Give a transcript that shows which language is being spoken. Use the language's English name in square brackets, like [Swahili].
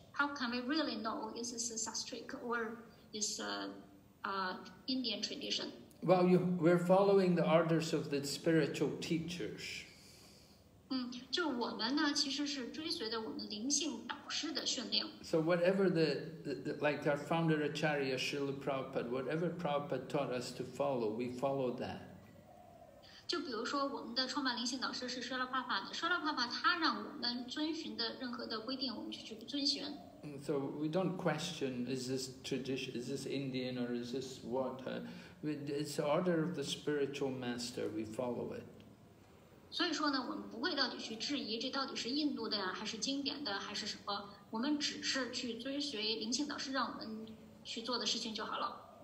[English] How can we really know is this a Shastric or is Indian tradition? Well, we're following the orders of the spiritual teachers. [Chinese] 就我们呢，其实是追随着我们灵性导师的训练。 [English] So whatever like our founder Acharya Srila Prabhupada, whatever Prabhupada taught us to follow, we follow that. [Chinese] 就比如说我们的创办灵性导师是 Srila Prabhupada, Srila Prabhupada 他让我们遵循的任何的规定，我们就去遵循。 [English] And so we don't question, is this tradition, is this Indian or is this what? It's the order of the spiritual master, we follow it. [Chinese] 所以说呢，我们不会到底去质疑这到底是印度的呀，还是经典的，还是什么？我们只是去追随灵性导师让我们去做的事情就好了。